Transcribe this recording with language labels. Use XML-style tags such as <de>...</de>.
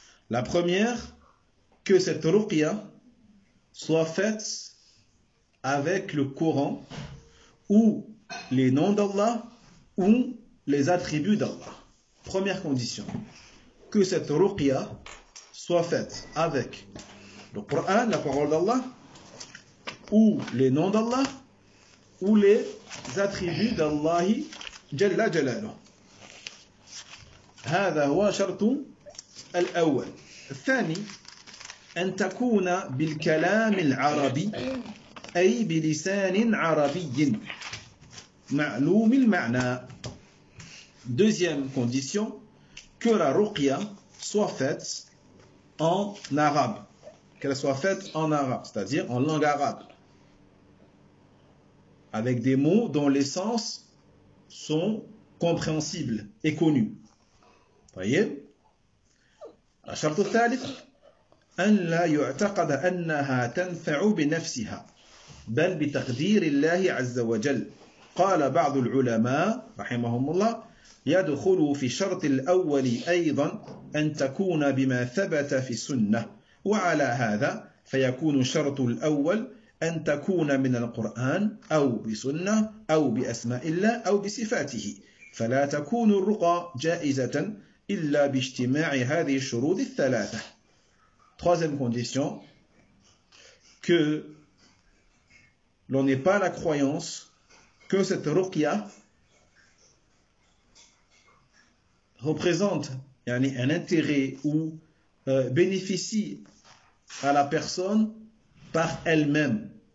<fr>La première, que cette ruqya soit faite avec le Coran ou les noms d'Allah ou les attributs d'Allah. Première condition. que cette ruqya soit faite avec le Coran, la parole d'Allah, ou les noms d'Allah, ou les attributs d'Allah Jalla Jalaluh.</fr> <ar>هذا هو شرط الأول. الثاني أن تكون بالكلام العربي أي بلسان عربي معلوم المعنى.</ar> <fr>Deuxième condition, que la ruqya soit faite en arabe. Qu'elle soit faite en arabe, c'est-à-dire en langue arabe. Avec des mots dont les sens sont compréhensibles et connus.</fr> <ar>طيب الشرط الثالث أن لا يعتقد أنها تنفع بنفسها بل بتقدير الله عز وجل قال بعض العلماء رحمهم الله يدخل في الشرط الأول أيضا أن تكون بما ثبت في السنة وعلى هذا فيكون الشرط الأول أن تكون من القرآن أو بسنة أو بأسماء الله أو بصفاته فلا تكون الرقى جائزة إلا باجتماع هذه الشروط الثلاثة.</ar> <fr>Troisième condition, que l'on n'ait pas la croyance que cette ruqya représente yani, un intérêt ou bénéficie à la personne par elle-même.</fr>